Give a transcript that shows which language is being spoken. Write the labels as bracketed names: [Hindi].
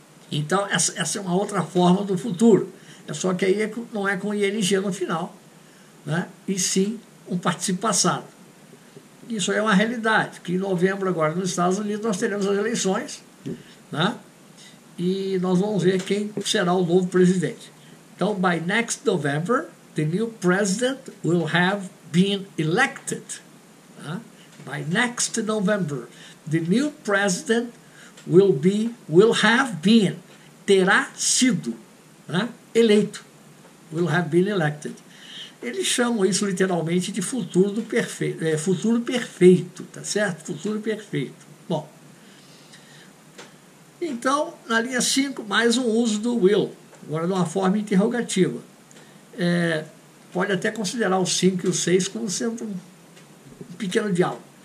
[Portuguese] Então, essa é uma outra forma do futuro. É só que aí não é com ING no final, né? E sim um participio passado. Isso aí é uma realidade, que em novembro agora nos Estados Unidos nós teremos as eleições, né? E nós vamos ver quem será o novo presidente. [English] Então, by next November, the new president will have been elected. Né? By next November, the new president will have been, [Portuguese] terá sido, né, eleito, [English] will have been elected. [Portuguese] Eles chamam isso literalmente de futuro do perfeito, futuro perfeito, tá certo? Futuro perfeito. Bom, então, na linha 5, mais um uso do will, agora de uma forma interrogativa. É, pode até considerar o 5 e o 6 como sendo um pequeno diálogo.